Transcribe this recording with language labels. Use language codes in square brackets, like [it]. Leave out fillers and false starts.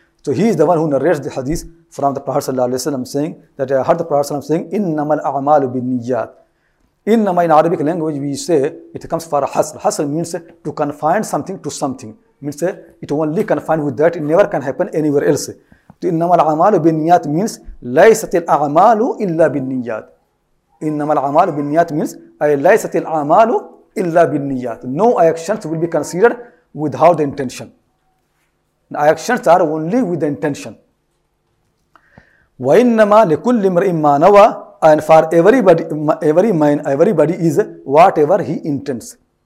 [en] So he is the one who narrates the hadith from the Prophet sallallahu alayhi wa sallam, saying that I heard the Prophet sallallahu alayhi wa sallam saying, [ar] إِنَّمَا الْأَعْمَالُ بِالنِّيَّاتِ. [en] إِنَّمَا, in Arabic language we say, it comes for a hasr. Hasr means to confine something to something. Means it only confined with that, it never can happen anywhere else. [ar] إنما الأعمال بالنيات [en] means [ar] ليست الأعمال إلا بالنيات. إنما الأعمال بالنيات [en] means [ar] أي ليست الأعمال إلا بالنيات. [en] No actions will be considered without the intention. Actions are only with the intention. [ar] وإنما لكل امرئ ما نوى, [en] and for everybody is whatever he intends.